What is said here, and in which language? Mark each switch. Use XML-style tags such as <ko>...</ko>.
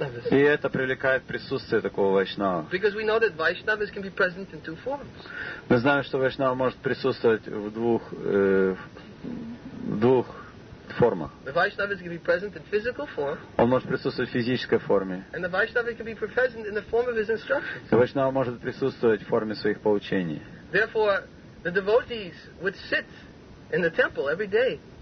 <ru>И это привлекает присутствие такого вайшнава.</ru> <en>Because we know that vaishnavas can be present in two forms.</en> <ru>Мы знаем, что вайшнава может присутствовать в двух формах.</ru> <en>The Vaishnava can be present in physical form.</en> <ru>Он может присутствовать в физической форме.</ru> <en>And the Vaishnava can be present in the form of his instructions.</en> <ru>И Вайшнава может присутствовать в форме своих поучений.</ru> <en>Therefore, the devotees would sit in the temple every day.</en>